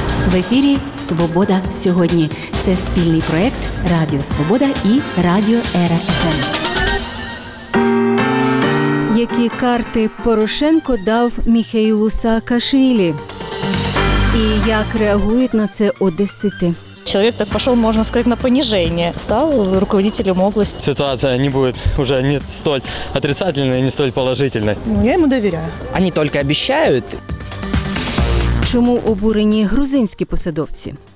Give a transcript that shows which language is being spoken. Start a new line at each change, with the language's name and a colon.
Ukrainian: В ефірі «Свобода сьогодні». Це спільний проєкт «Радіо Свобода» і «Радіо РФМ». Які карти Порошенко дав Міхеїлу Саакашвілі? І як реагують на це одесити?
Russian: Человек так пошел, можно сказать, на понижение. Стал руководителем области. Ситуация не будет уже не столь отрицательной, не столь положительной. Ну, я ему доверяю. Они только обещают.
Ukrainian: Чому обурені грузинські посадовці?